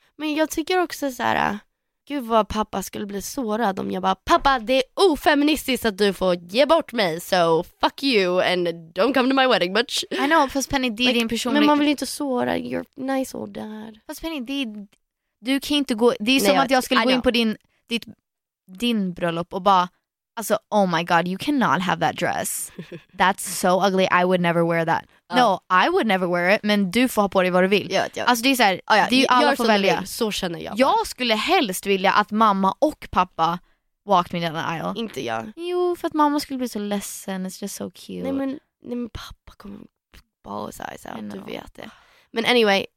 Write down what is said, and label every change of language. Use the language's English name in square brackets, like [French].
[Swedish] Men jag tycker också så här, gud vad pappa skulle bli sårad om jag bara, pappa, det är ofeministiskt att du får ge bort mig, [English] so fuck you and don't come to my wedding, bitch. I know, [Swedish] fast Penny, det är like, din personlighet. Men man vill inte såra [English] your nice old dad. [Swedish] Fast Penny, du kan inte gå, det är som att jag skulle gå in på din bröllop och bara, alltså, [English] oh my god, you cannot have that dress. That's so ugly, I would never wear that. No, I would never wear it, [Swedish] men du får ha på dig vad du vill. Alltså det är såhär, det är ju alla får välja. Så känner jag. Jag skulle helst vilja att mamma och pappa [English] walked me down the aisle. [Swedish] Inte jag. Jo, för att mamma skulle bli så ledsen, [English] it's just so cute. [Swedish] Nej men pappa kommer bara såhär, så du vet det. Men anyway,